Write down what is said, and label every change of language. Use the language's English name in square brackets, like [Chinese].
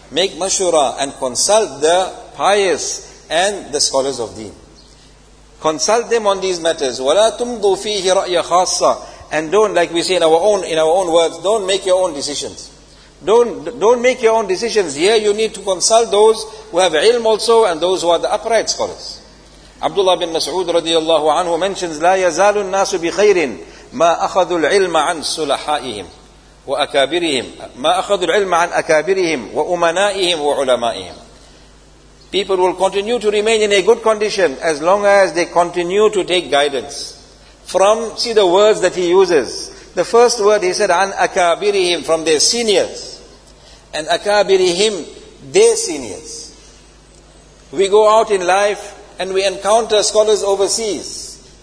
[English] Make mashura and consult the pious and the scholars of deen. Consult them on these matters. [Arabic] وَلَا تُمْضُوا فِيهِ رَأْيَ خَاصَّ. [English] And don't, like we say in our own words, don't make your own decisions. Don't make your own decisions. Here you need to consult those who have ilm also and those who are the upright scholars. [Arabic] Abdullah bin Mas'ud radiallahu anhu [English] mentions, [Arabic] لَا يَزَالُ النَّاسُ بِخَيْرٍ مَا أَخَذُوا الْعِلْمَ عَنْ سُلَحَائِهِمْ وَأَكَابِرِهِمْ مَا أَخَذُوا الْعِلْمَ عَنْ أَكَابِرِهِمْ وَأُمَنَائِهِمْ وَعُلَمَائِهِمْ. [English] People will continue to remain in a good condition as long as they continue to take guidance. From, see the words that he uses. The first word he said, an akabirihim, from their seniors. And akabirihim, their seniors. We go out in life and we encounter scholars overseas.